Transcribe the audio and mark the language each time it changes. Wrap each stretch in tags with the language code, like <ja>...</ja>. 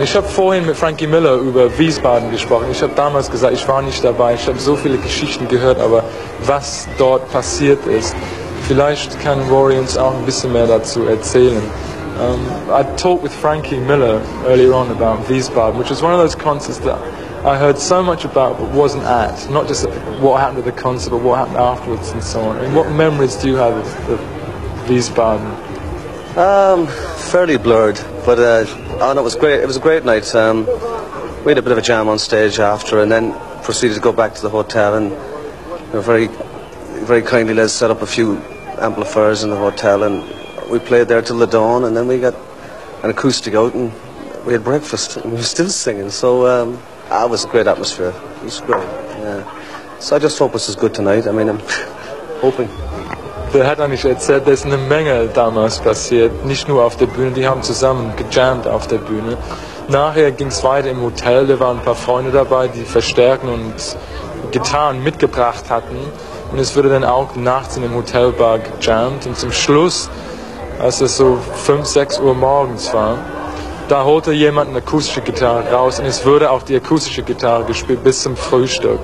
<de>Ich habe vorhin mit Frankie Miller über Wiesbaden gesprochen. Ich habe damals gesagt, ich war nicht dabei. Ich habe so viele Geschichten gehört, aber was dort passiert ist, vielleicht kann Rory uns auch ein bisschen mehr dazu erzählen.</de> <en>I talked with Frankie Miller earlier on about Wiesbaden, which was one of those concerts that I heard so much about but wasn't at. Not just what happened at the concert, but what happened afterwards and so on. And what memories do you have of Wiesbaden? Fairly blurred, but it was great. It was a great night. We had a bit of a jam on stage after, and then proceeded to go back to the hotel. And they were very, very kindly let us set up a few amplifiers in the hotel, and we played there till the dawn. And then we got an acoustic out, and we had breakfast, and we were still singing. So it was a great atmosphere. It was great. Yeah. So I just hope this is good tonight. I mean, I'm hoping.</en> <de>Der hat eigentlich erzählt, da ist eine Menge damals passiert, nicht nur auf der Bühne, die haben zusammen gejammt auf der Bühne. Nachher ging es weiter im Hotel, da waren ein paar Freunde dabei, die Verstärken und Gitarren mitgebracht hatten. Und es wurde dann auch nachts in dem Hotelbar gejammt. Und zum Schluss, als es so 5, 6 Uhr morgens war, da holte jemand eine akustische Gitarre raus und es wurde auch die akustische Gitarre gespielt bis zum Frühstück.</de>